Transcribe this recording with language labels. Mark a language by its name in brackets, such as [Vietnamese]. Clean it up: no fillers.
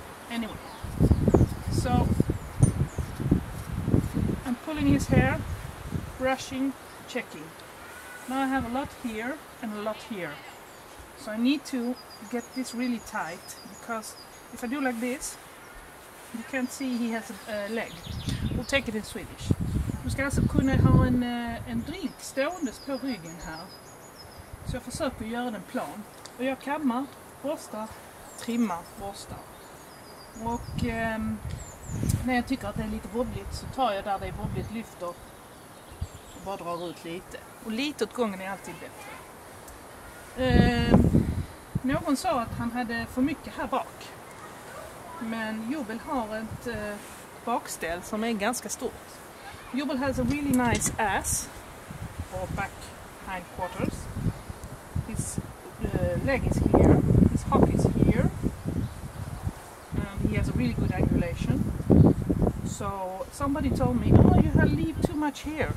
[English] Anyway, so I'm pulling his hair, brushing, checking. Now I have a lot here and a lot here. So I need to get this really tight, because if I do like this, you can't see he has a leg. We'll take it in Swedish. [Swedish] Du ska alltså kunna ha en drink stående på ryggen här. Så jag försöker göra den plan. Och jag kammar, borstar, trimmar, borstar. Och när jag tycker att det är lite wobbligt, så tar jag där det är wobbligt, lyfter och bara drar ut lite. Och lite åt gången är alltid bättre. Någon sa att han hade för mycket här bak, men Jubel har ett bakställ som är ganska stort. [English] Jubel has a really nice ass, or back hindquarters. His leg is here, his hock is here, and he has a really good angulation. So somebody told me, oh, you have leave too much here.